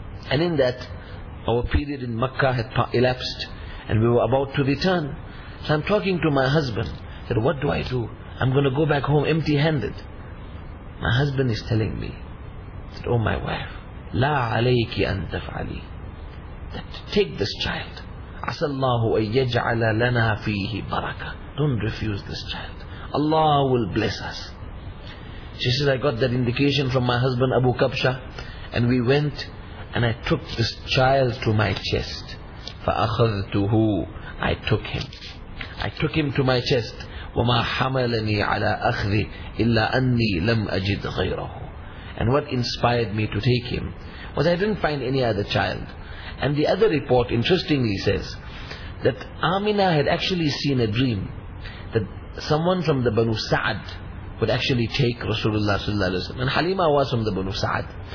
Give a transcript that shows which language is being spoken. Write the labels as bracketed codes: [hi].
[en] And in that, our period in Makkah had elapsed, and we were about to return. So I'm talking to my husband. I said, what do I do? I'm going to go back home empty-handed. My husband is telling me, I said, oh my wife, [ar] لا عليك أن تفعلي, [en] that take this child. [ar] عسى الله أن يجعل لنا فيه بركة. [en] Don't refuse this child. Allah will bless us. She says, I got that indication from my husband Abu Kabsha, and we went, and I took this child to my chest. [ar] فأخذته, [en] I took him. I took him to my chest. [ar] وما حملني على أخذه إلا أني لم أجد غيره. [en] And what inspired me to take him was I didn't find any other child. And the other report, interestingly, says that Amina had actually seen a dream that someone from the Banu Sa'ad would actually take Rasulullah sallallahu alaihi wasallam. And Halima was from the Banu Sa'ad.